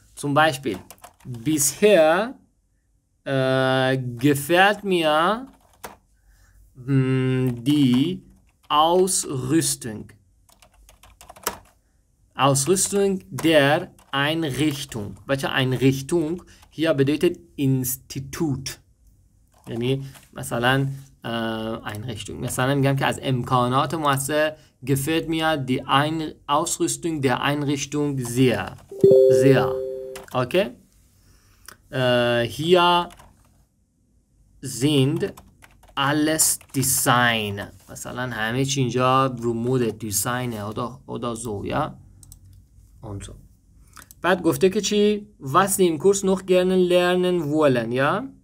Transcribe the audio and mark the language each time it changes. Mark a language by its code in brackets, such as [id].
[de] Zum Beispiel, bisher gefällt mir die Ausrüstung. Ausrüstung der Einrichtung. Welche Einrichtung? Hier bedeutet Institut. [fa] یعنی مثلا Einrichtung. مثلا میگم که از امکانات موسسه [de] gefällt mir die Ausrüstung der Einrichtung sehr. Sehr. Okay. Hier sind alles Design. [fa] مثلا همه چی اینجا رو مود دیزاین [de] oder so, ja? Und so. [fa] بعد گفته که چی؟ [de] Was sie im Kurs noch gerne lernen wollen, ja?